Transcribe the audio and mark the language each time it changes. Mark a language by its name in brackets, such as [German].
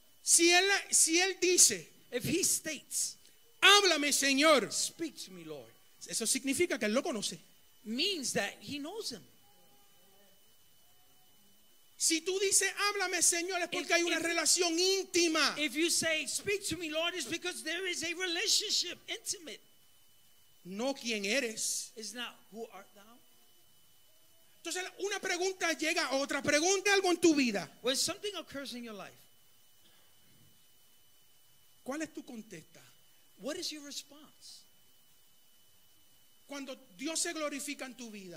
[Spanish] si él dice, [English] if he states, [Spanish] háblame, Señor, [English] speak to me, Lord, [Spanish] eso significa que él lo conoce, [English] means that he knows him. [Spanish] Si tú dices, háblame, Señor, es porque hay una relación íntima. [English] If you say, speak to me, Lord, it's because there is a relationship, intimate. [Spanish] No, ¿quién eres? [English] It's not, who art thou? [Spanish] Entonces, una pregunta llega a otra pregunta, algo en tu vida. [English] When something occurs in your life, [Spanish] ¿cuál es tu contesta? [English] What is your response? [Spanish] Cuando Dios se glorifica en tu vida.